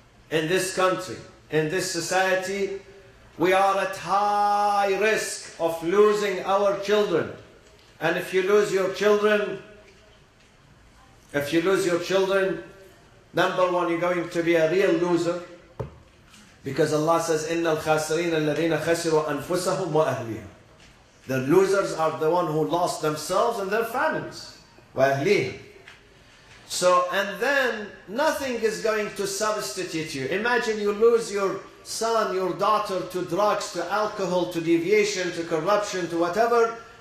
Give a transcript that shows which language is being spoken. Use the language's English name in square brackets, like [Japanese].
[English] In this country, in this society, we are at high risk of losing our children. And if you lose your children, number one, you're going to be a real loser. Because Allah says, [Arabic] إِنَّ الْخَاسِرِينَ الَّذِينَ خَسِرُوا أَنفُسَهُمْ وَأَهْلِهِمْ. [English] The losers are the one who lost themselves and their families. [Arabic] وَأَهْلِهِمْ. [English] So, and then, nothing is going to substitute you. Imagine you lose your son, your daughter to drugs, to alcohol, to deviation, to corruption, to whatever.